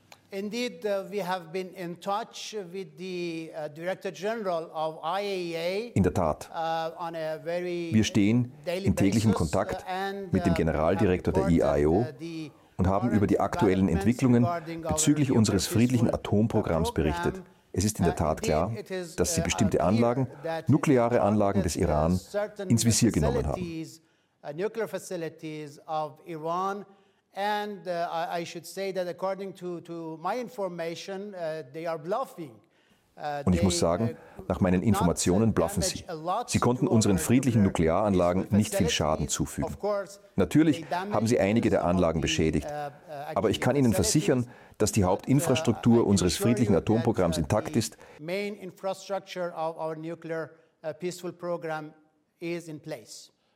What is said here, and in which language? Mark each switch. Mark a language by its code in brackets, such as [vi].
[en] Indeed, we have been in touch with the Director General of IAEA. [de] In der Tat. Wir stehen in täglichem Kontakt mit dem Generaldirektor der IAEA und haben über die aktuellen Entwicklungen bezüglich unseres friedlichen Atomprogramms berichtet. Es ist in der Tat klar, dass sie bestimmte Anlagen, nukleare Anlagen des Iran, ins Visier genommen haben. [en] Nuclear facilities of Iran. And I should say that according to my information, they are bluffing. [de] Und ich muss sagen, nach meinen Informationen bluffen sie. Sie konnten unseren friedlichen Nuklearanlagen nicht viel Schaden zufügen. Natürlich haben sie einige der Anlagen beschädigt. Aber ich kann Ihnen versichern, dass die Hauptinfrastruktur unseres friedlichen Atomprogramms intakt ist. [en] Main infrastructure of our nuclear peaceful program is in place.